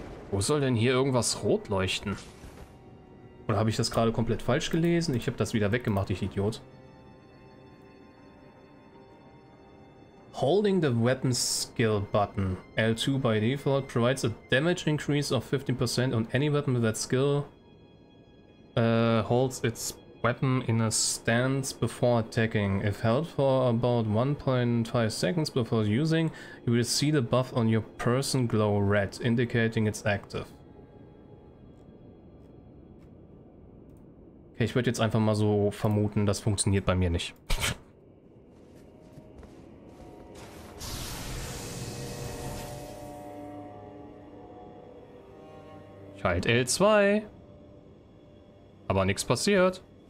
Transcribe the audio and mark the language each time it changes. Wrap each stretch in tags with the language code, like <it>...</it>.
<de>Wo soll denn hier irgendwas rot leuchten? Oder habe ich das gerade komplett falsch gelesen? Ich habe das wieder weggemacht, ich Idiot.</de> <en>Holding the weapon skill button L2 by default provides a damage increase of 15% on any weapon with that skill holds its Weapon in a stance before attacking. If held for about 1.5 seconds before using, you will see the buff on your person glow red, indicating it's active.</en> <de>Okay, ich würde jetzt einfach mal so vermuten, das funktioniert bei mir nicht. Ich halte L2. Aber nichts passiert.</de>